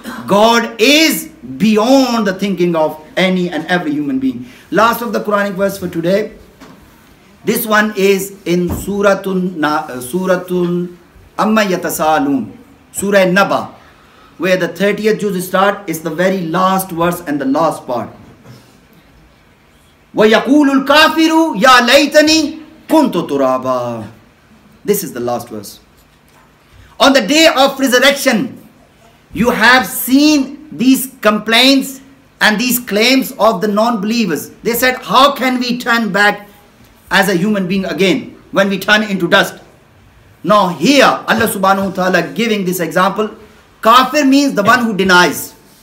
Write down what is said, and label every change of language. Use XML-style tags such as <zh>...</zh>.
<en>God is beyond the thinking of any and every human being. Last of the Quranic verse for today. This one is in Suratul Amma Yatasalun, Surah Naba, where the 30th juz start is the very last verse and the last part.</en> <ar>وَيَقُولُ الْكَافِرُ يَا لَيْتَنِي كُنْتُ تُرَابًا.</ar> <en>This is the last verse. On the day of resurrection, you have seen these complaints and these claims of the non-believers. They said, how can we turn back as a human being again when we turn into dust? Now here, Allah subhanahu wa ta'ala giving this example. Kafir means the one who denies.</en>